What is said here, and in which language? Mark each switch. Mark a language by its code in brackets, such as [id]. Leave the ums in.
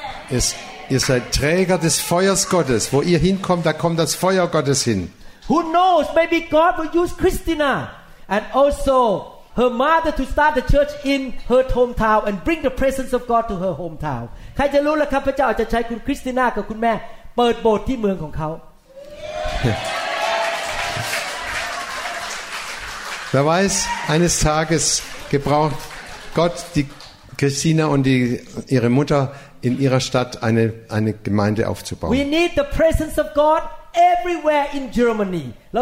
[de] Es, ihr seid Träger des Feuers Gottes. Wo ihr hinkommt, da kommt das Feuer Gottes hin. [en] Who knows? Maybe God will use Christina and also her mother to start the church in her hometown and bring the presence of God to her hometown. [th] ใครจะรู้ล่ะครับพระเจ้าจะใช้คุณคริสติน่ากับคุณแม่เปิดโบสถ์ที่เมืองของเขา [en] yeah. [de] Wer weiß, eines Tages gebraucht Gott die Christina und die, ihre Mutter in ihrer Stadt eine, eine Gemeinde aufzubauen. [en] We need the presence of God everywhere in Germany.